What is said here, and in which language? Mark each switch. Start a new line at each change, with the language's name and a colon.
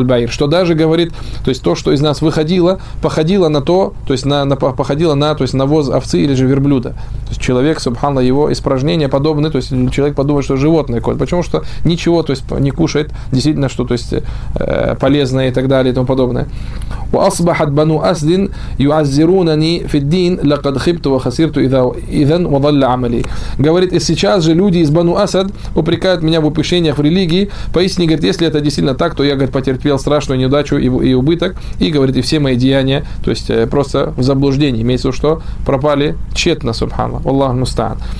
Russian: Что даже, говорит, то есть, то, что из нас выходило, походило на то, то есть, походило на навоз овцы или же верблюда. То есть, человек, субханаллах, его испражнения подобны, то есть, человек подумает, что животное какое-то. Почему? Что ничего, то есть, не кушает действительно что, то есть, полезное и так далее и тому подобное.
Arabic: وأصبحت بنو أسد يعزرونني في الدين لقد خبت وخسرت إذا وضل عملي.
Russian: Говорит, и сейчас же люди из Бану Асад упрекают меня в упущениях в религии. Поистине, говорит, если это действительно так, то я, говорит, потерпел страшную неудачу и убыток, и, говорит, и все мои деяния, то есть, просто в заблуждении, имеется в виду, что пропали тщетно, субханаллах. Аллах мустаан.